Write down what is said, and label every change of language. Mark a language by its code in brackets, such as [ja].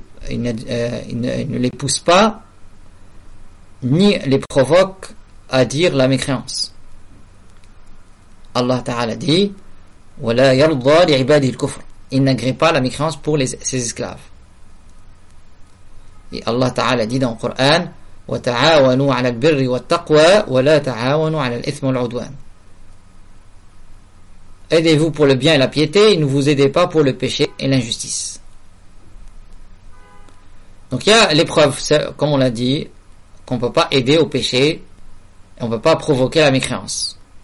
[fr] Il ne les pousse pas ni les provoque à dire la mécréance. Allah Ta'ala dit [ar] وَلَا يَرْضَى لِعِبَادِهِ الْكُفْرِ. [fr] Il n'agrée pas la mécréance pour ses esclaves. Et Allah Ta'ala dit dans le Coran [ar] وَتَعَاوَنُوا عَلَى الْبِرِّ وَالتَّقْوَى وَلَا تَعَاوَنُوا عَلَى الْإِثْمِ وَالْعُدْوَانِ. [fr] Aidez-vous pour le bien et la piété et ne vous aidez pas pour le péché et l'injustice. Donc il y a l'épreuve, comme on l'a dit, qu'on ne peut pas aider au péché et on ne peut pas provoquer la mécréance.